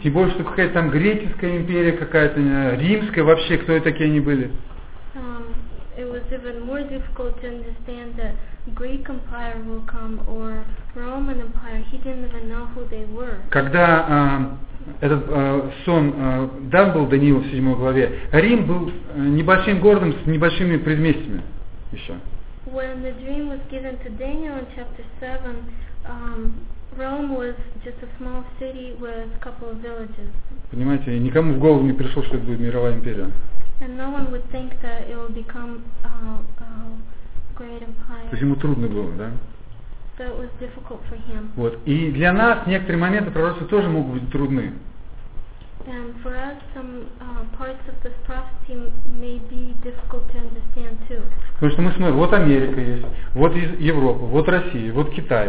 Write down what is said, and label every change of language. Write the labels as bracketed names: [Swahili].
[Russian] Тем более, что какая-то там греческая империя, какая-то римская вообще, кто это такие они были? [English] It was even more difficult to understand that Greek Empire will come or Roman Empire. He didn't even know who they were. [Russian] Когда этот сон дан был Даниилу в 7 главе, Рим был небольшим городом с небольшими предместьями еще. [English] When the dream was given to Daniel in chapter 7, Rome was just a small city with a couple of villages. [Russian] Понимаете, никому в голову не пришло, что это будет мировая империя. [English] And no one would think that it would become a great empire. [Russian] То есть ему трудно было, да? [English] But it was difficult for him. [Russian] Вот. И для нас некоторые моменты пророчества тоже могут быть трудны. [English] And for us, some parts of this prophecy may be difficult to understand too. [Russian] Потому что мы смотрим, вот Америка есть, вот Европа, вот Россия, вот Китай.